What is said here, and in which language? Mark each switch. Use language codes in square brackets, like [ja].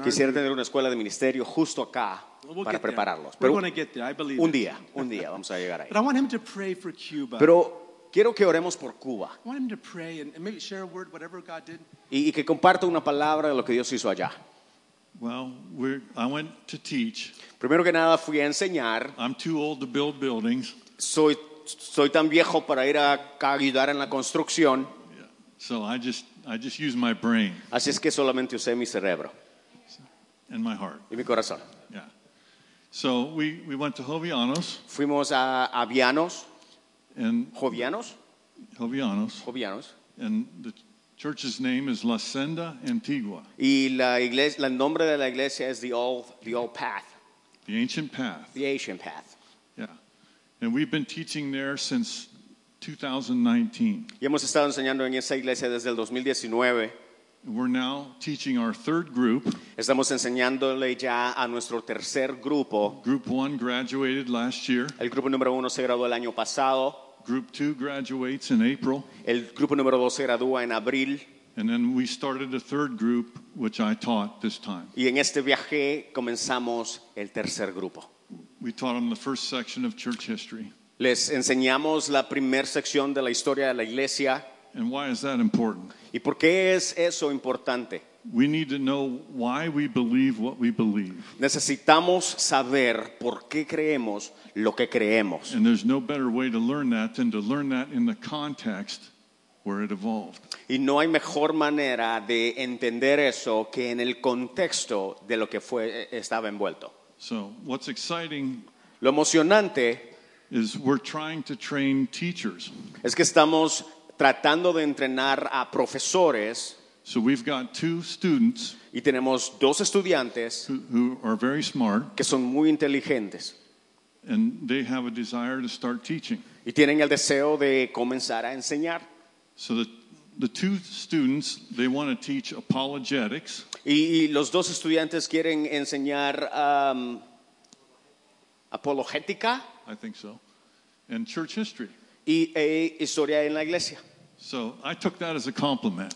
[es] Quisiera tener una escuela de ministerio justo acá. [en] We'll [es] para prepararlos. Pero [en] we're going to get there, I believe. [es] Un día vamos a llegar ahí. [en] But I want him to pray for Cuba. [es] Pero quiero que oremos por Cuba. [en] I want him to pray and maybe share a word, whatever God did. [es] Y que comparta una palabra de lo que Dios hizo allá. [en] Well, I went to teach. [es] Primero que nada fui a enseñar. [en] I'm too old to build buildings. [es] Soy tan viejo para ir a ayudar en la construcción. [en] Yeah. So I just use my brain. [es] Así es que solamente usé mi cerebro. [en] And my heart. [es] Y mi corazón. [en] So we went to Jovianos. [es] Fuimos a Avianos. [en] And Jovianos. Jovianos. Jovianos. And the church's name is La Senda Antigua. [es] Y la iglesia, el nombre de la iglesia es [en] the old path. The ancient path. The ancient path. Yeah. And we've been teaching there since 2019. [es] Y hemos estado enseñando en esa iglesia desde el 2019. [en] We're now teaching our third group. [es] Estamos enseñándole ya a nuestro tercer grupo. [en] Group 1 graduated last year. [es] El grupo número 1 se graduó el año pasado. [en] Group 2 graduates in April. [es] El grupo número 2 se gradúa en abril. [en] And then we started a third group, which I taught this time. [es] Y en este viaje comenzamos el tercer grupo. [en] We taught them the first section of church history. [es] Les enseñamos la primera sección de la historia de la iglesia. [en] And why is that important? [es] ¿Y por qué es eso importante? [en] We need to know why we believe what we believe. [es] Necesitamos saber por qué creemos lo que creemos. [en] And there's no better way to learn that than to learn that in the context where it evolved. [es] Y no hay mejor manera de entender eso que en el contexto de lo que fue estaba envuelto. [en] So, what's exciting? [es] Lo emocionante [en] is we're trying to train teachers. [es] Es que estamos tratando de entrenar a profesores. [en] So we've got two students. [es] Y tenemos dos estudiantes. [en] Who are very smart. [es] Que son muy inteligentes. [en] And they have a desire to start teaching. [es] Y tienen el deseo de comenzar a enseñar. [en] So the two students, they want to teach apologetics. [es] Y los dos estudiantes quieren enseñar apologética. [en] I think so. And church history. [es] Y historia en la iglesia. [en] So I took that as a compliment.